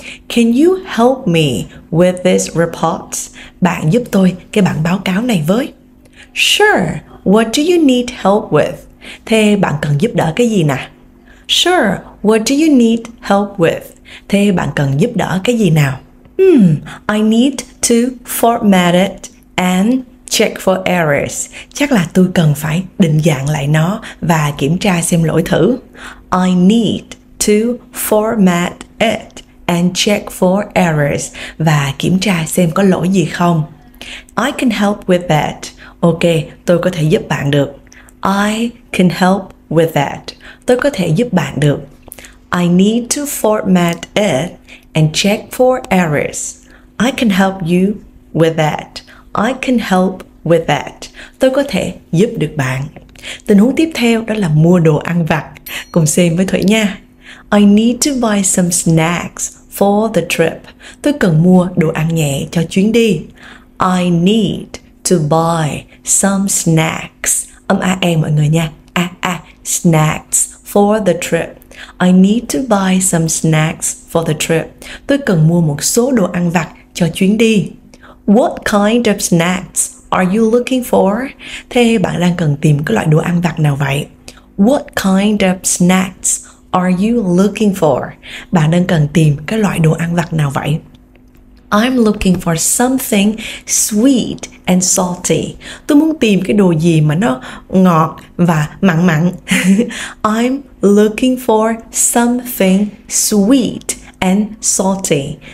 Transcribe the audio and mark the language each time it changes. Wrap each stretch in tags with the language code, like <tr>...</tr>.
<en>Can you help me with this report?</en> <vi>Bạn giúp tôi cái bản báo cáo này với.</vi> <en>Sure, what do you need help with?</en> <vi>Thế bạn cần giúp đỡ cái gì nè?</vi> <en>Sure, what do you need help with?</en> <vi>Thế bạn cần giúp đỡ cái gì nào?</vi> <en>I need to format it and check for errors.</en> <vi>Chắc là tôi cần phải định dạng lại nó và kiểm tra xem lỗi thử.</vi> <en>I need to format it and check for errors.</en> <vi>Và kiểm tra xem có lỗi gì không.</vi> <en>I can help with that.</en> <vi>Ok, tôi có thể giúp bạn được.</vi> <en>I can help with that.</en> <vi>Tôi có thể giúp bạn được.</vi> <en>I need to format it and check for errors. I can help you with that. I can help with that.</en> <vi>Tôi có thể giúp được bạn. Tình huống tiếp theo đó là mua đồ ăn vặt. Cùng xem với Thủy nha.</vi> <en>I need to buy some snacks for the trip.</en> <vi>Tôi cần mua đồ ăn nhẹ cho chuyến đi.</vi> <en>I need to buy some snacks.</en> <vi>Âm A-E mọi người nha. A-A.</vi> <en>Snacks for the trip. I need to buy some snacks for the trip.</en> <vi>Tôi cần mua một số đồ ăn vặt cho chuyến đi.</vi> <en>What kind of snacks are you looking for?</en> <vi>Thế bạn đang cần tìm cái loại đồ ăn vặt nào vậy?</vi> <en>What kind of snacks are you looking for?</en> <vi>Bạn đang cần tìm cái loại đồ ăn vặt nào vậy?</vi> <en>I'm looking for something sweet and salty.</en> <vi>Tôi muốn tìm cái đồ gì mà nó ngọt và mặn mặn.</vi> <en>I'm looking for something sweet and salty.</en>